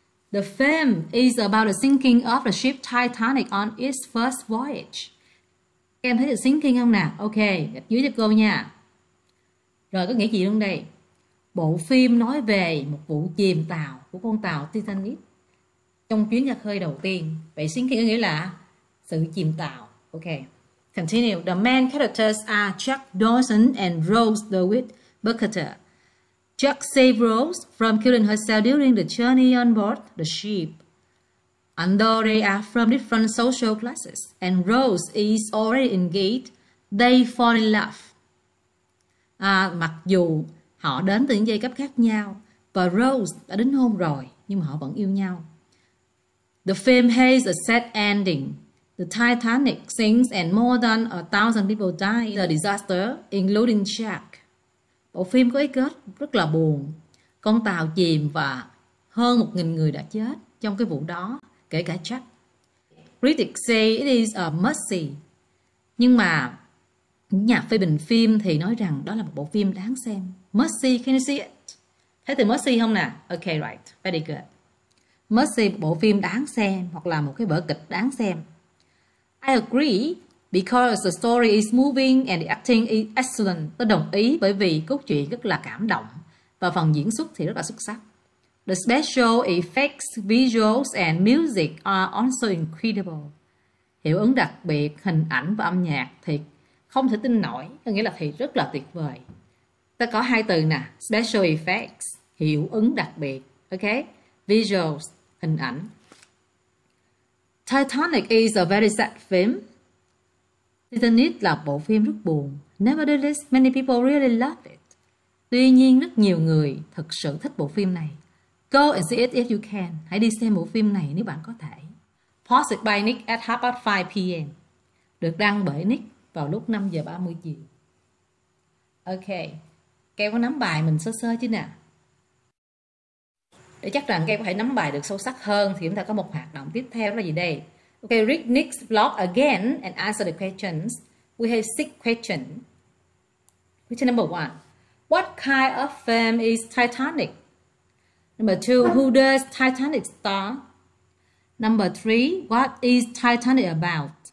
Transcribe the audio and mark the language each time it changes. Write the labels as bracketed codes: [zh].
[en] The film is about the sinking of the ship Titanic on its first voyage. [vi] Em thấy được sinking không nào? Okay, gạch dưới cho cô nha. Rồi có nghĩa gì luôn đây? Bộ phim nói về một vụ chìm tàu của con tàu Titanic trong chuyến ra khơi đầu tiên. Vậy sinking có nghĩa là sự chìm tàu. [en] Okay. Continue. The main characters are Jack Dawson and Rose DeWitt Burkhalter. Jack saved Rose from killing herself during the journey on board the ship. And though they are from different social classes and Rose is already engaged, they fall in love. [vi] Mặc dù họ đến từ những giai cấp khác nhau và Rose đã đính hôn rồi, nhưng mà họ vẫn yêu nhau. [en] The film has a sad ending. The Titanic sinks and more than 1,000 people die in the disaster, including Jack. [vi] Bộ phim có ý kết rất là buồn. Con tàu chìm và hơn 1,000 người đã chết trong cái vụ đó, kể cả Jack. [en] Critics say it is a must-see. [vi] Nhưng mà nhà phê bình phim thì nói rằng đó là một bộ phim đáng xem. [en] Must-see, can you see it? [vi] Thấy từ must-see không nè? Okay, right, very good. Must-see, bộ phim đáng xem hoặc là một cái vở kịch đáng xem. [en] I agree because the story is moving and the acting is excellent. [vi] Tôi đồng ý bởi vì cốt truyện rất là cảm động và phần diễn xuất thì rất là xuất sắc. [en] The special effects, visuals and music are also incredible. [vi] Hiệu ứng đặc biệt, hình ảnh và âm nhạc thì không thể tin nổi, có nghĩa là thì rất là tuyệt vời. Ta có hai từ nè, special effects, hiệu ứng đặc biệt, okay? [en] Visuals, [vi] hình ảnh. [en] Titanic is a very sad film. [vi] Titanic là bộ phim rất buồn. [en] Nevertheless, many people really love it. [vi] Tuy nhiên, rất nhiều người thực sự thích bộ phim này. [en] Go and see it if you can. [vi] Hãy đi xem bộ phim này nếu bạn có thể. [en] Posted by Nick at 5 PM. [vi] Được đăng bởi Nick vào lúc 5:30 chiều. Okay. Kêu có nắm bài mình sơ sơ chứ nè. Để chắc rằng Kêu có thể nắm bài được sâu sắc hơn thì chúng ta có một hoạt động tiếp theo là gì đây? [en] Okay, read Nick's blog again and answer the questions. We have 6 questions. Question number 1. What kind of film is Titanic? Number 2, who does Titanic star? Number 3, what is Titanic about?